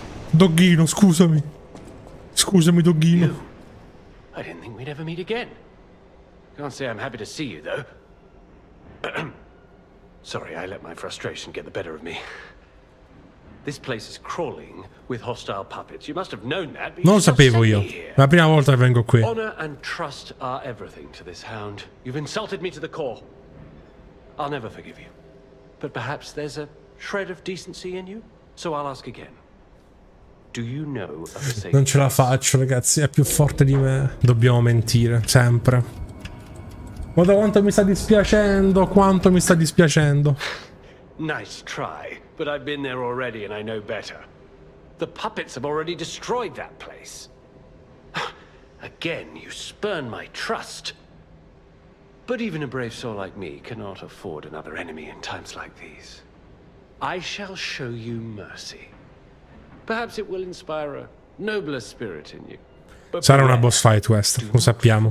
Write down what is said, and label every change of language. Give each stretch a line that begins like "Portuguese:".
Italian: Doggino, scusami. Scusami, Doggino.
English: I didn't think we'd ever meet again. Can't say I'm happy to see you, though. Sorry, I let my frustration get the better of me. This place is crawling with hostile puppets. You must have known that.
Italian: Non lo sapevo io. È la prima volta che vengo qui.
English: Honor and trust are everything to this hound. You've insulted me to the core. I'll never forgive you. But perhaps there's a shred of decency in you. So I'll ask again. Do you know of safety?
Italian: Non ce la faccio, ragazzi. È più forte di me. Dobbiamo mentire sempre. Guarda quanto mi sta dispiacendo. Quanto mi sta dispiacendo.
English: Nice try. But I've been there already and I know better. The puppets have already destroyed that place. Again, you spurn my trust. But even a brave soul like me cannot afford another enemy in times like these. I shall show you mercy. Perhaps it will inspire a nobler spirit in you.
Italian: But sarà una boss fight West, lo sappiamo.